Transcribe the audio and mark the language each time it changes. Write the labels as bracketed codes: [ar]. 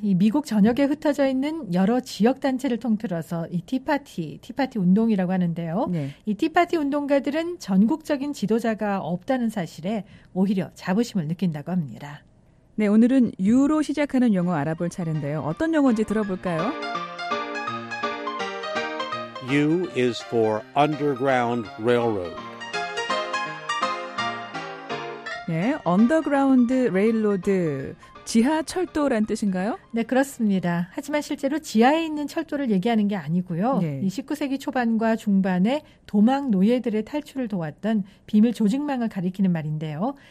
[ko] 이 미국 전역에 흩어져 있는 여러 지역 단체를 통틀어서 이 티파티 운동이라고 하는데요. 네. 이 티파티 운동가들은 전국적인 지도자가 없다는 사실에 오히려 자부심을 느낀다고 합니다. 네, 오늘은 U로 시작하는 용어 알아볼 차례인데요. 어떤 용어인지 들어볼까요? [en] U is for Underground Railroad. [ko] 네, Underground Railroad, 지하철도란 뜻인가요? 네, 그렇습니다. 하지만 실제로 지하에 있는 철도를 얘기하는 게 아니고요. 네. 이 19세기 초반과 중반에 도망 노예들의 탈출을 도왔던 비밀 조직망을 가리키는 말인데요.